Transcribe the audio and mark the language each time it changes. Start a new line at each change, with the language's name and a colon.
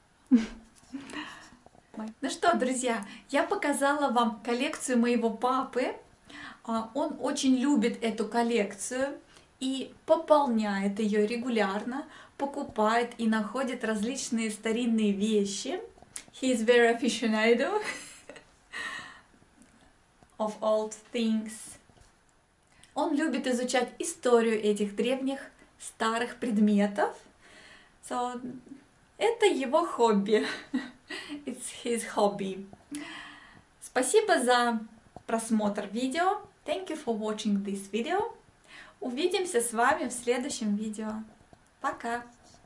Russian: Ну что, друзья, я показала вам коллекцию моего папы. Он очень любит эту коллекцию и пополняет ее регулярно, покупает и находит различные старинные вещи.
English: He is very aficionado of old things.
Russian: Он любит изучать историю этих древних старых предметов. So, это его хобби.
English: It's his hobby.
Russian: Спасибо за просмотр видео.
English: Thank you for watching this video.
Russian: Увидимся с вами в следующем видео. Пока!